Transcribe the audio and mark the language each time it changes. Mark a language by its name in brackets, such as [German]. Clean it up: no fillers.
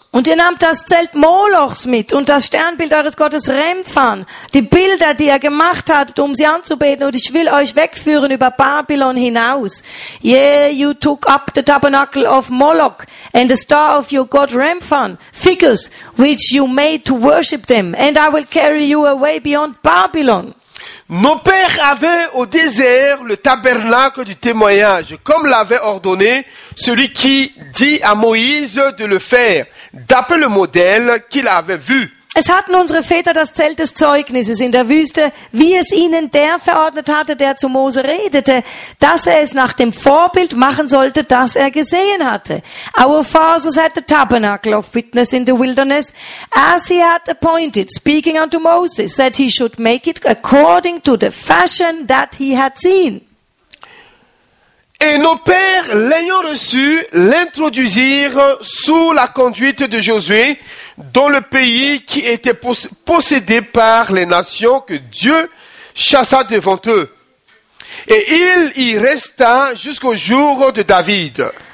[German] Und ihr nahmt das Zelt Molochs mit und das Sternbild eures Gottes Remphan, die Bilder, die ihr gemacht habt, um sie anzubeten, und ich will euch wegführen über Babylon hinaus. [English] Yeah, you took up the tabernacle of Moloch and the star of your God Remphan, figures which you made to worship them, and I will carry you away beyond Babylon. [French] Nos pères avaient au désert le tabernacle du témoignage, comme l'avait ordonné celui qui dit à Moïse de le faire, d'après le modèle qu'il avait vu. [German] Es hatten unsere Väter das Zelt des Zeugnisses in der Wüste, wie es ihnen der verordnet hatte, der zu Mose redete, dass er es nach dem Vorbild machen sollte, das er gesehen hatte. [English] Our fathers had the tabernacle of witness in the wilderness, as he had appointed, speaking unto Moses, that he should make it according to the fashion that he had seen. [French] Et nos pères, l'ayant reçu, l'introduisirent sous la conduite de Josué dans le pays qui était possédé par les nations que Dieu chassa devant eux. Et il y resta jusqu'au jour de David.